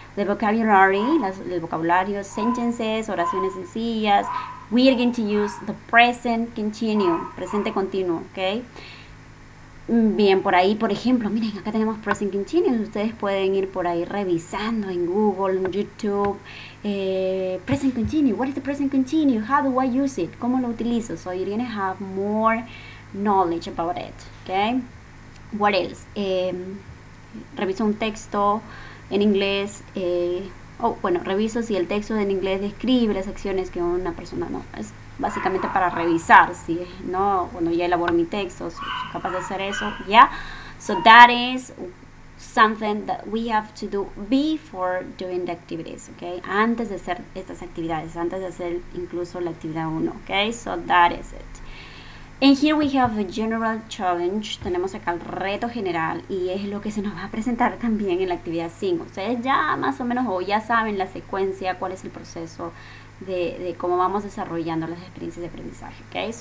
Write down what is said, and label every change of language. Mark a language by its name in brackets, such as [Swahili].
[Spanish] The vocabulary, el vocabulario, sentences, oraciones sencillas. [English] We are going to use the present continuous, presente continuo, ¿ok? [Spanish] Bien, por ahí, por ejemplo, miren, acá tenemos present continuous. Ustedes pueden ir por ahí revisando en Google, en YouTube. [English] Present continuous, what is the present continuous? How do I use it? ¿Cómo lo utilizo? So you're going to have more knowledge about it, okay? [Spanish] What else? Reviso un texto en inglés. Reviso si el texto en inglés describe las acciones que una persona no es básicamente para revisar si no cuando ya elaboro mi texto, soy capaz de hacer eso. [English] So that is something that we have to do before doing the activities, okay? [Spanish] Antes de hacer estas actividades, antes de hacer incluso la actividad 1, okay? So that is it. And here we have the general challenge. Tenemos acá el reto general y es lo que se nos va a presentar también en la actividad 5. Ustedes ya más o menos o ya saben la secuencia, cuál es el proceso de cómo vamos desarrollando las experiencias de aprendizaje, okay?